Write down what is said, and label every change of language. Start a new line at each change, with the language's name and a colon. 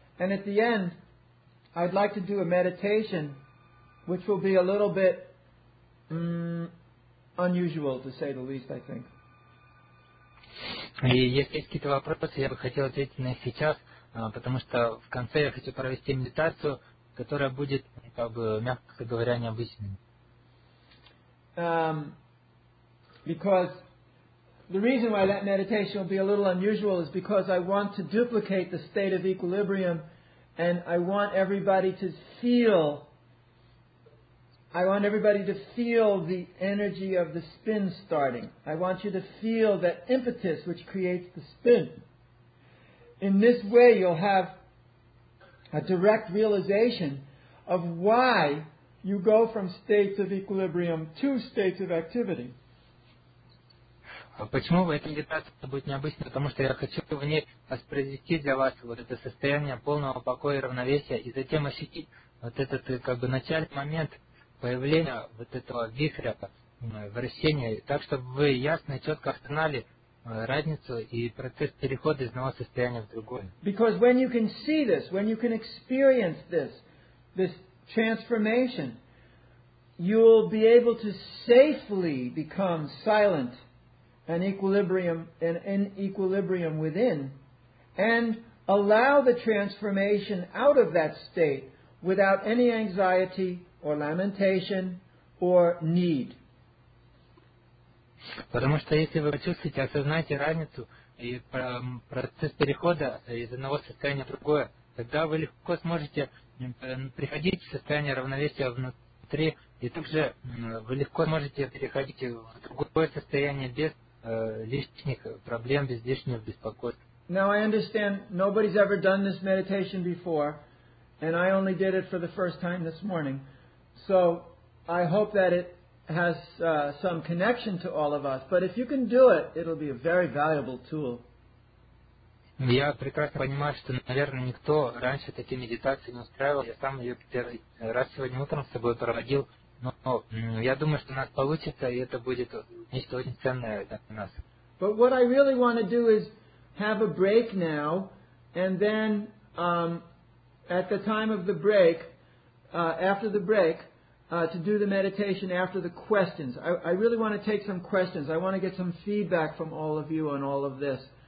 English: And at the end, I'd like to do a meditation which will be a little bit unusual, to say the least, I think.
Russian: И если есть какие-то вопросы, я бы хотел ответить на них сейчас, потому что в конце я хочу провести медитацию, которая будет, как бы, мягко говоря, необычной.
English: Because the reason why that meditation will be a little unusual is because I want to duplicate the state of equilibrium, and I want everybody to feel the energy of the spin starting. I want you to feel that impetus which creates the spin. In this way, you'll have a direct realization of why you go from states of equilibrium to states of activity.
Russian: Почему эта медитация будет необычной? Потому что я хочу в ней воспроизвести для вас вот это состояние полного покоя и равновесия, и затем ощутить вот этот как бы начальный момент появление вот этого вихря, вращения, так, чтобы вы ясно и четко осознали разницу и процесс перехода из одного состояния в другое.
English: Because when you can see this, when you can experience this transformation, you'll be able to safely become silent and equilibrium and in equilibrium within and allow the transformation out of that state without any anxiety or lamentation, or need.
Russian: Потому что если вы почувствуете, осознаете разницу и процесс перехода из одного состояния в другое, тогда вы легко сможете приходить в состояние равновесия внутри, и также вы легко сможете переходить в другое состояние без лишних проблем, без лишнего беспокойства.
English: Now I understand nobody's ever done this meditation before, and I only did it for the first time this morning. So I hope that it has some connection to all of us. But if you can do it, it'll be a very valuable tool.
Russian: Я прекрасно понимаю, что, наверное, никто раньше такие медитации не устраивал. Я сам ее первый раз сегодня утром с собой проводил. Но я думаю, что у нас получится, и это будет нечто очень ценное для нас.
English: But what I really want to do is have a break now, and then at the time of the break, after the break, to do the meditation after the questions. I really want to take some questions. I want to get some feedback from all of you on all of this.